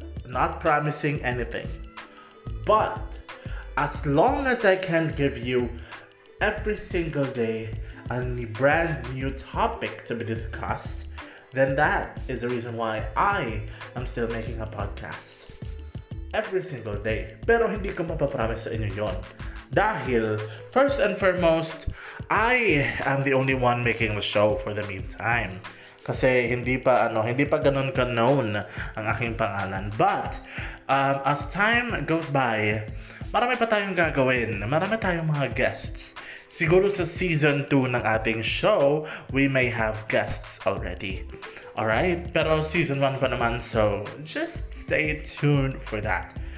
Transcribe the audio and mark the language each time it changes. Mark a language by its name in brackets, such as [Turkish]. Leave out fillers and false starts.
[English] Not promising anything. But as long as I can give you every single day a brand new topic to be discussed, then that is the reason why I am still making a podcast every single day. [Filipino] Pero hindi ko mapapromise sa inyo yon. Dahil, [English] first and foremost, I am the only one making the show for the meantime. [Filipino] Kasi hindi pa ganun ka-known ang aking pangalan. [English] But, as time goes by, [Filipino] marami pa tayong gagawin. Marami tayong mga guests. Siguro sa season 2 ng ating show, [English] we may have guests already. Alright? [Filipino] Pero season 1 pa naman, [English] so just stay tuned for that.